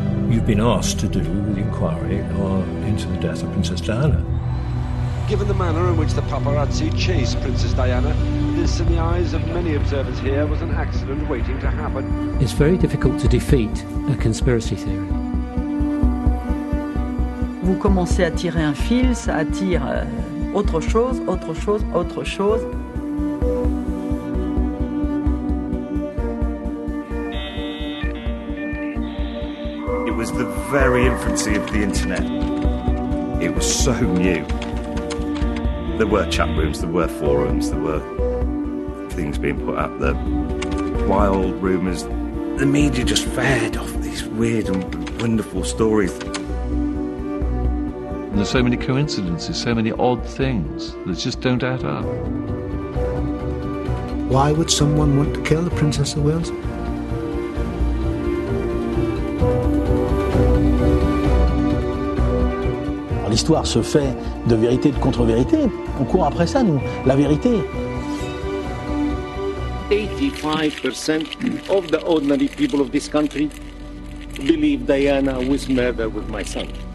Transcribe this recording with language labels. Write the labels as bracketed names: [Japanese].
[English] You've been asked to do the inquiry into the death of Princess Diana. Given the manner in which the paparazzi chased Princess Diana, this, in the eyes of many observers here, was an accident waiting to happen. It's very difficult to defeat a conspiracy theory. [French] Vous commencez à tirer un fil, ça attire autre chose, autre chose, autre chose. [English] It was the very infancy of the internet. It was so new. There were chat rooms, there were forums, there were things being put up, the wild rumours. The media just fed off these weird and wonderful stories. There's so many coincidences, so many odd things that just don't add up. Why would someone want to kill the Princess of Wales? [French] L'histoire se fait de vérité, de contre-vérité. On court après ça, nous, la vérité. [English] 85% of the ordinary people of this country believe Diana was murdered with my son.